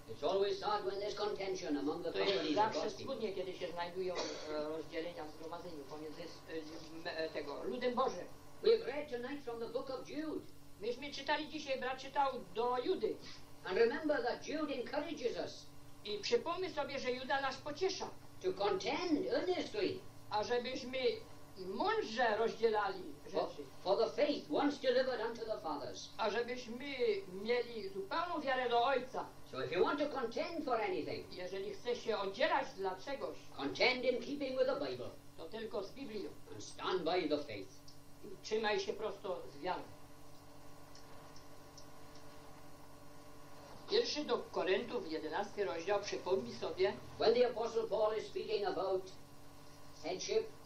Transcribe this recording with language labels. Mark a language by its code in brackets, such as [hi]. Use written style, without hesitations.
[en] It's always sad when there's contention among the [pl] to jest zawsze smutnie, kiedy się znajdują rozdzielenia w zgromadzeniu pomiędzy tego ludem Bożym. [en] We've read tonight from the book of Jude. [pl] Myśmy czytali dzisiaj, brat czytał do Judy. [en] And remember that Jude encourages us. [pl] I przypomnij sobie, że Juda nas pociesza. [en] To contend earnestly. [pl] A żebyśmy mądrze rozdzielali rzeczy. [en] For the faith once delivered unto the fathers. [pl] A żebyśmy mieli zupełną wiarę do Ojca. [en] So if you want to contend for anything, [pl] jeżeli chcesz się oddzielać dla czegoś, [en] contend in keeping with the Bible, [pl] to tylko z Biblią. [en] And stand by the faith. [pl] I trzymaj się prosto z wiarą. Pierwszy do Koryntów, 11 rozdział, przypomnij sobie, [en] when the apostle Paul is speaking about headship,